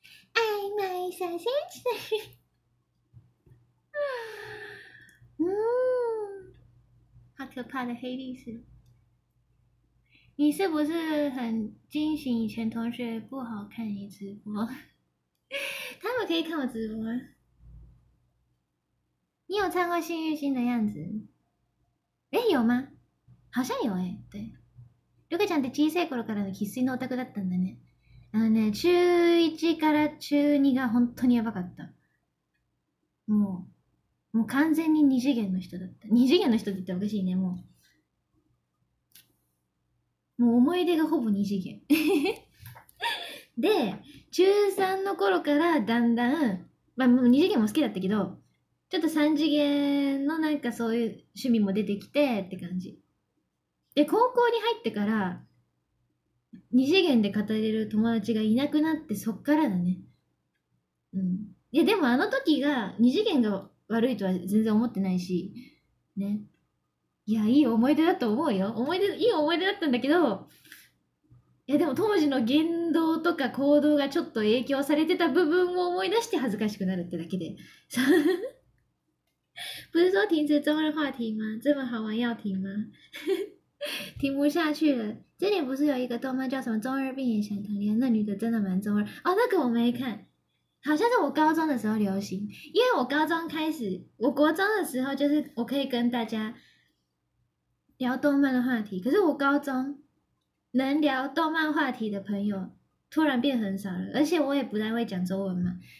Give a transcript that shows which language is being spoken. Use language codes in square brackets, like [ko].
[zh] 爱买小星星，好可怕的黑历史！你是不是很惊醒以前同学不好看你直播？他们可以看我直播吗？你有唱过《幸运星》的样子？有吗？好像有对， [ja] ルカちゃんって小さい頃からの生粋のオタクだったんだね。中1から中2が本当にやばかった。もう完全に二次元の人だった。二次元の人って言ったらおかしいね。もう思い出がほぼ二次元。で中3の頃からだんだん、まあもう二次元も好きだったけど、ちょっと三次元のなんかそういう趣味も出てきてって感じで、高校に入ってから二次元で語れる友達がいなくなって、そっからだね。いやでもあの時が二次元が悪いとは全然思ってないし、ね。いや、いい思い出だと思うよ。思い出、いい思い出だったんだけど、いやでも当時の言動とか行動がちょっと影響されてた部分を思い出して恥ずかしくなるってだけで。 [zh] 不是说停止中日话题吗？这么好玩要停吗？停不下去了。之前不是有一个动漫叫什么《中二病也想谈恋爱》，那女的真的蛮中二。哦，那个我没看，好像是我高中的时候流行。因为我高中开始，我国中的时候就是我可以跟大家聊动漫的话题，可是我高中能聊动漫话题的朋友突然变很少了，而且我也不太会讲中文嘛。